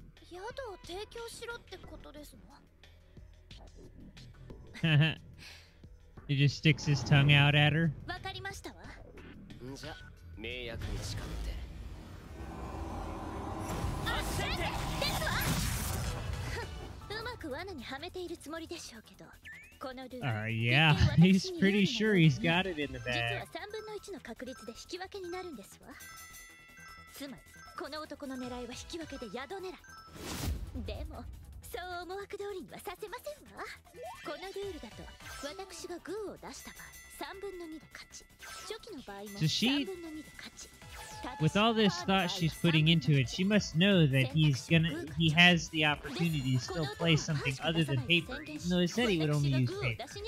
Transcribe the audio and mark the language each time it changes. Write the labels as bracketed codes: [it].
[ja] 宿を提供しろってことですの？ [en] He just sticks his tongue out at her. [ja] わかりましたわ。んじゃ、迷惑に誓って。あっ、先生、ですわ。うまく罠にはめているつもりでしょうけど。 [en] Yeah, he's pretty sure he's got it in the bag. [ja] 実は3分の1の確率で引き分けになるんですわ。つまり、この男の狙いは引き分けで宿狙い。でも、そう思惑通りにはさせませんわ。このルールだと、私がグーを出した場合、3分の2で勝ち。初期の場合も3分の2で勝ち。 [en] With all this thought she's putting into it, she must know that he's gonna, he has the opportunity to still play something other than paper, even though he said he would only use paper.